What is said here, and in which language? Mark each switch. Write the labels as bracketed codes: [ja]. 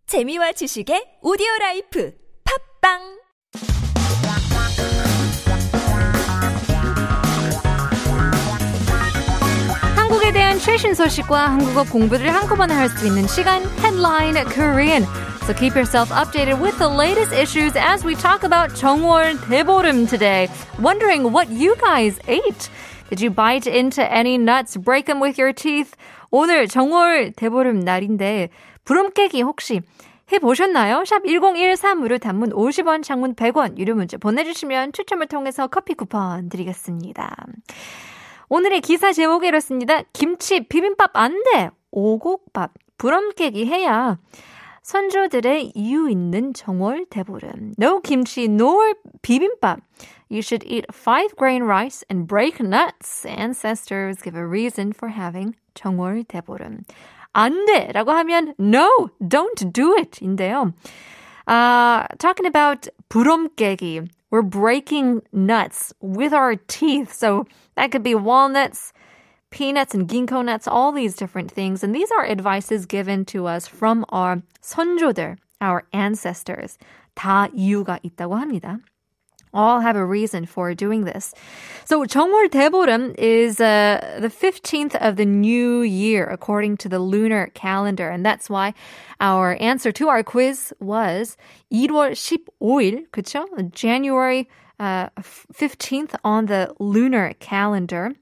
[ko] 재미와 지식의 오디오 라이프. 팟빵! 한국에 대한 최신 소식과 한국어 공부를 한꺼번에 할 수 있는 시간, Headline Korean. [en] So keep yourself updated with the latest issues as we talk about 정월 대보름 today. Wondering what you guys ate? Did you bite into any nuts, break them with your teeth? [ko] 오늘 정월 대보름 날인데 부름깨기 혹시 해보셨나요? 샵 1013으로 단문 50원, 장문 100원, 유료 문자 보내주시면 추첨을 통해서 커피 쿠폰 드리겠습니다. 오늘의 기사 제목이 이렇습니다. 김치, 비빔밥 안 돼! 오곡밥, 부럼깨기 해야 선조들의 이유 있는 정월 대보름. [en] No 김치, no 비빔밥. You should eat 5-grain rice and break nuts. Ancestors give a reason for having 정월 대보름. [ko] 안 돼! 라고 하면 [en] No! Don't do it! [ko] 인데요. [en] Talking about 부럼깨기. We're breaking nuts with our teeth. So that could be walnuts, peanuts, and ginkgo nuts, all these different things. And these are advices given to us from our 선조들, our ancestors. [ko] 다 이유가 있다고 합니다. [en] All have a reason for doing this. So 정월 대보름 is the 15th of the new year, according to the lunar calendar. And that's why our answer to our quiz was [ko] 1월 15일, 그쵸? [en] January 15th on the lunar calendar.